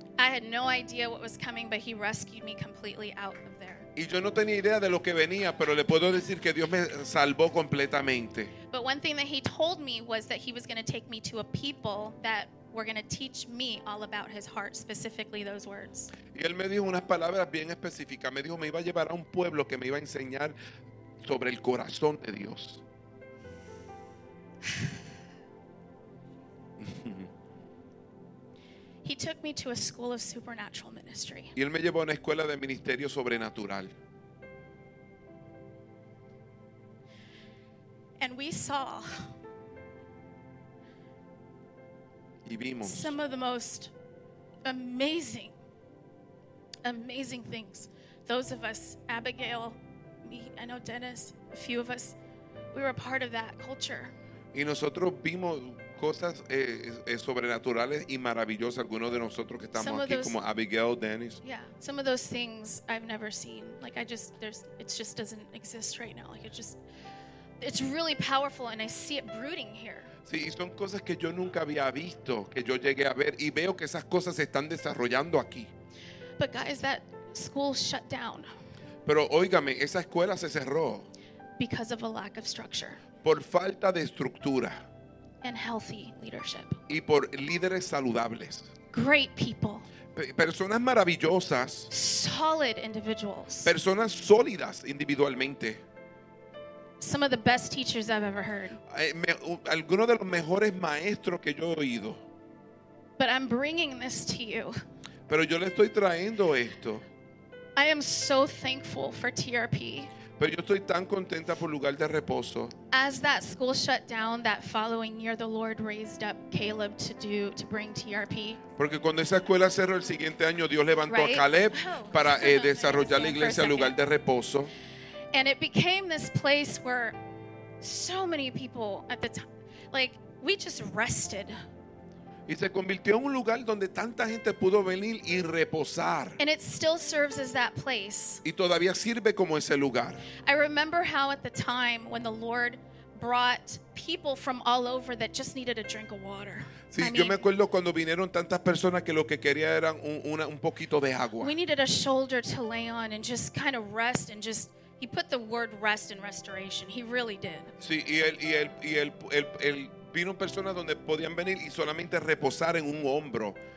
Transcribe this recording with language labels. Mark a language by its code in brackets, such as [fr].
[en] I had no idea what was coming, but he rescued me completely out of there. [es] Y yo no tenía idea de lo que venía, pero le puedo decir que Dios me salvó completamente. [en] But one thing that he told me was that he was going to take me to a people that were going to teach me all about his heart, specifically those words. [es] Y él me dijo unas palabras bien específicas. Me dijo, me iba a llevar a un pueblo que me iba a enseñar sobre el corazón de Dios. [en] He took me to a school of supernatural ministry. [es] Y él me llevó a una escuela de ministerio sobrenatural. [en] And we saw [es] y vimos [en] some of the most amazing, amazing things. Those of us, Abigail, me, I know Dennis, a few of us, we were a part of that culture. [es] Y nosotros vimos cosas sobrenaturales y maravillosas. Algunos de nosotros que estamos aquí, como Abigail, Dennis. [en] Yeah, some of those things I've never seen. Like I just, there's, it just doesn't exist right now. Like it just, it's really powerful, and I see it brooding here. [es] Sí, y son cosas que yo nunca había visto, que yo llegué a ver, y veo que esas cosas se están desarrollando aquí. [en] But guys, that school shut down. [es] Pero óigame, esa escuela se cerró. [en] Because of a lack of structure. [es] Por falta de estructura. [en] And healthy leadership. [es] Y por líderes saludables. [en] Great people. [es] Personas maravillosas. [en] Solid individuals. [es] Personas sólidas individualmente. [en] Some of the best teachers I've ever heard. [es] Algunos de los mejores maestros que yo he oído. [en] But I'm bringing this to you. [es] Pero yo le estoy trayendo esto. [en] I am so thankful for TRP. [es] Pero yo estoy tan contenta por lugar de reposo. [en] As that school shut down, that following year, the Lord raised up Caleb to bring TRP. [es] Porque cuando esa escuela cerró el siguiente año, Dios levantó a Caleb para desarrollar la iglesia en lugar de reposo. [en] And it became this place where so many people at the time, like we just rested. [es] Y se convirtió en un lugar donde tanta gente pudo venir y reposar. [en] And it still serves as that place. [es] Y todavía sirve como ese lugar. [en] I remember how at the time when the Lord brought people from all over that just needed a drink of water. [es] Sí, yo me acuerdo cuando vinieron tantas personas que lo que quería eran un poquito de agua. [en] We needed a shoulder to lay on and just kind of rest and just. He put the word rest in restoration. He really did. [es] Sí, y el vino personas donde podían venir y solamente reposar en un hombro.